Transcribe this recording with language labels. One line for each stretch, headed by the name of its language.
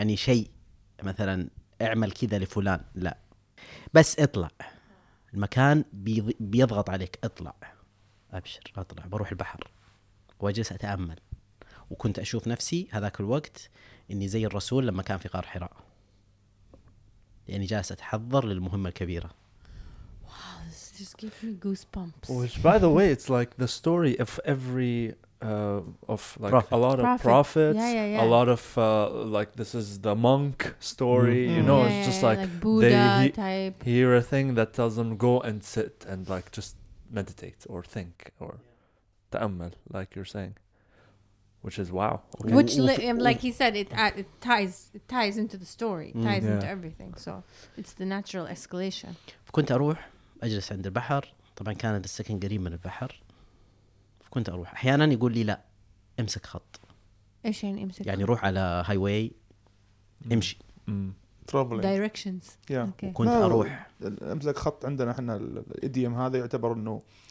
Arabic: يعني شيء مثلا اعمل كذا لفلان. لا بس اطلع المكان بيضغط عليك. اطلع ابشر اطلع بروح البحر واجلس اتامل. وكنت اشوف نفسي هذاك الوقت اني زي الرسول لما كان في غار حراء يعني جالس اتحضر للمهمه الكبيره.
English: Wow, this just gives me goosebumps. Which, by the way, it's like the story of every of like prophet. A lot of prophets. Yeah, yeah, yeah. A lot of like this is the monk story. Mm-hmm. You know, it's just like Buddha they type. Hear a thing that tells them go and sit and like just meditate or think or تأمل, like you're saying. Which is wow. Okay. Which, like he said, it ties into the story, ties into everything. So it's the natural escalation.
Arabic: كنت أروح أجلس عند البحر. طبعًا كان السكن قريب من البحر. كنت أروح أحيانًا يقول لي لا امسك خط. إيش يعني امسك؟ يعني روح على هايواي امشي.
English: Traveling. Directions. Yeah.
Arabic: Okay. كنت أروح. امسك خط عندنا إحنا الإديم هذا يعتبر إنه.